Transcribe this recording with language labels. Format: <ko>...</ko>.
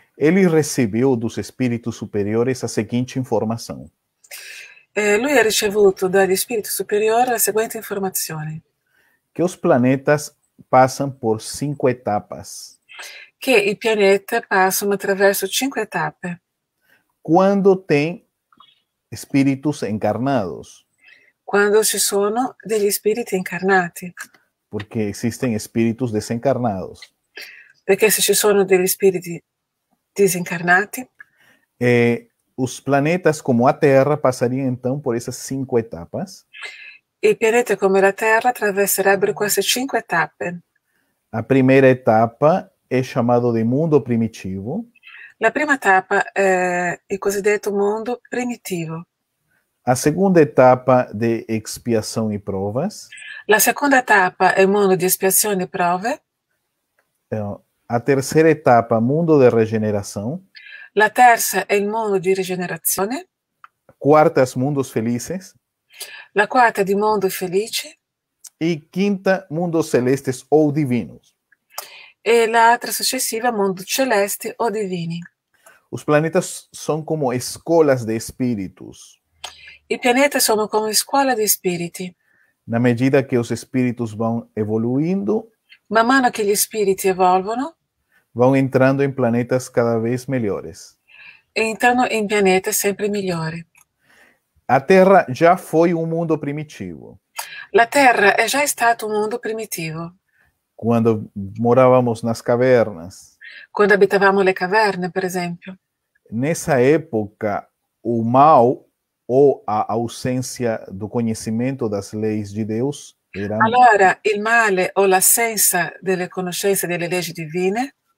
<pt>Ele recebeu dos espíritos superiores a seguinte informação.</pt> <it>Lui ha ricevuto dagli spiriti superiori la seguente informazione:</it> <pt>Que os planetas passam por cinco etapas.</pt> <it>che i pianeti passano attraverso cinque tappe.</it> <pt>Quando tem espíritos encarnados?</pt> <it>Quando ci sono degli spiriti incarnati. Perché</it> <pt>Porque existem espíritos desencarnados.</pt> <it>se ci sono degli spiriti disincarnati?</it> <pt>Os planetas, como a Terra, passariam então por essas cinco etapas.</pt> <it>I pianeti come la Terra attraverserebbero queste cinque tappe.</it> <pt>A primeira etapa é chamada de mundo primitivo.</pt> <it>La prima tappa è il cosiddetto mondo primitivo.</it> <pt>A segunda etapa de expiação e provas.</pt> <it>La seconda tappa è il mondo di espiazione e prove.</it> <pt>A terceira etapa, mundo de regeneração.</pt> <it>La terza è il mondo di rigenerazione.</it> <pt>Quartas, mundos felices.</pt> <it>La quarta è di mondo felice.</it> <pt>E quinta, mundos celestes ou divinos.</pt> <it>E l'altra successiva, mondo celeste o divini.</it> <pt>Os planetas são como escolas de espíritos.</pt> <it>I pianeti sono come scuola di spiriti.</it> <pt>Na medida que os espíritos vão evoluindo,</pt> <it>Man mano che gli spiriti evolvono,</it> <pt>vão entrando em planetas cada vez melhores.</pt> <it>entrano in pianeti sempre migliori.</it> <pt>A Terra já foi um mundo primitivo.</pt> <it>La Terra è già stato un mondo primitivo.</it> <pt>Quando morávamos nas cavernas.</pt> <it>Quando abitavamo le caverne, per esempio.</it> <pt>Nessa época, o mal ou a ausência do conhecimento das leis de Deus eram.</pt> <it>Allora, il male o l'assenza delle conoscenze delle leggi divine</it>